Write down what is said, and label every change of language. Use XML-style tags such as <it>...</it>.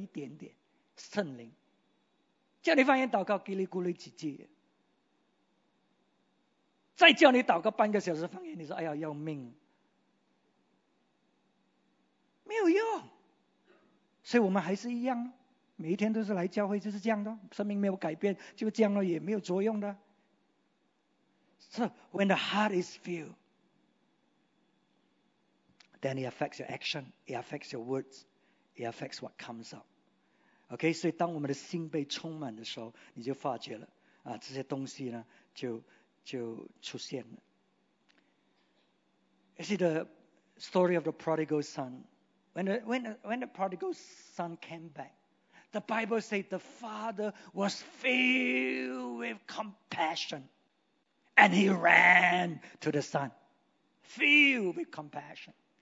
<zh>我们太多人喝了一点点圣灵, 叫你方言祷告叽里咕噜几句, 再叫你祷告半个小时方言, 你说哎呀要命, 没有用。所以我们还是一样, 每一天都是来教会就是这样的, 生命没有改变, 就这样了, 也没有作用的。</zh> <en>So when the heart is filled, then it affects your action, it affects your words, it affects what comes up.</en> <zh>Okay, 所以当我们的心被充满的时候, 你就发觉了, 这些东西呢, 就出现了。</zh> <en>You see the story of the prodigal son. When the prodigal son came back, the Bible said the father was filled with compassion. And he ran to the son, filled with compassion.</en>